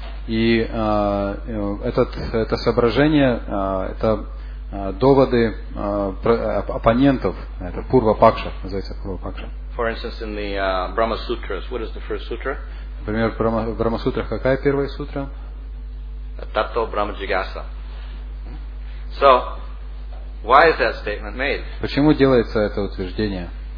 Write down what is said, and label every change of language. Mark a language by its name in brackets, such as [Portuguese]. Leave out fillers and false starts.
[Russian] И это соображение, это доводы оппонентов, это Пурва Пакша, называется Пурва Пакша. [English] For instance, in the Brahma Sutras, what is the first sutra? [Russian] Например, в Брахма Сутрах какая первая сутра? [Sanskrit] Татто Брахма Джигаса. [English] So, why is that statement made? [Russian] Почему делается это утверждение?